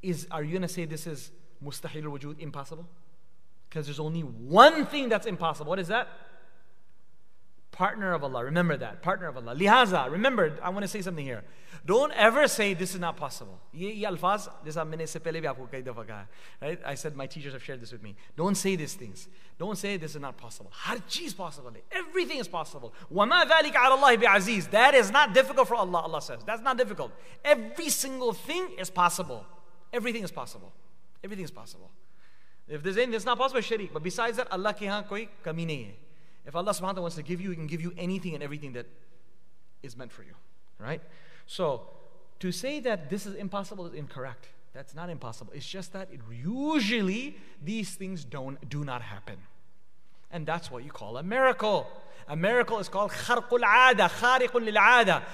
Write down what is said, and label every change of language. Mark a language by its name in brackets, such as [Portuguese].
[English] Are you going to say this is mustahil al-wujud, impossible? Because there's only one thing that's impossible. What is that? Partner of Allah. Remember that. Partner of Allah. Lihaza, remember, I want to say something here. Don't ever say this is not possible. [Urdu] یہ الفاظ, [English] this I've said [Urdu] پہلے بھی آپ کو کئی دفعہ کہا. [English] Right? I said my teachers have shared this with me. Don't say these things. Don't say this is not possible. [Urdu] Har cheez [English] possible. Everything is possible. [Arabic] وَمَا ذَلِكَ عَلَى اللَّهِ بِعَزِيزٍ. [English] That is not difficult for Allah, Allah says. That's not difficult. Every single thing is possible. Everything is possible. Everything is possible. If there's anything that's not possible, shirik. But besides that, [Urdu] اللہ کے ہاں کوئی کمی نہیں ہے. [English] If Allah subhanahu wa ta'ala wants to give you, He can give you anything and everything that is meant for you. Right? So, to say that this is impossible is incorrect. That's not impossible. It's just that usually these things do not happen. And that's what you call a miracle. A miracle is called [Arabic] kharqul aada, khariqun lil aada.